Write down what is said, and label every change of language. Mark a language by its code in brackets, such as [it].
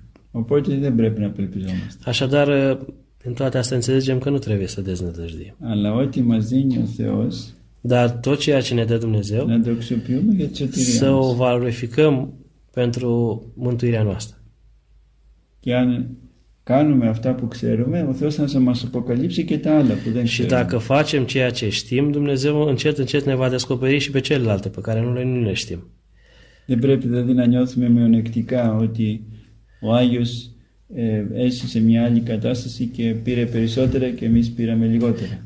[el] Οπότε δεν πρέπει να απελπιζόμαστε. [ro] Așadar, în toate astea înțelegem că nu trebuie să deznădăjdim. [el] Αλλά ό,τι μας δίνει ο Θεός. [ro] Dar tot ceea ce ne dă Dumnezeu, [el] να το αξιοποιούμε για τσοτηρία. [ro] Să o valorificăm pentru mântuirea noastră. [el] Και αν κάνουμε αυτά που ξέρουμε, ο Θεός θα μας αποκαλύψει και τα άλλα που δεν ξέρουμε. [ro] Și dacă facem ceea ce știm, Dumnezeu încet încet ne va descoperi și pe celelalte pe care nu le știm. [el] Δεν πρέπει δηλαδή να νιώθουμε μειονεκτικά ότι ο Άγιος έζησε μια άλλη κατάσταση και πήρε περισσότερα και εμείς πήραμε λιγότερα.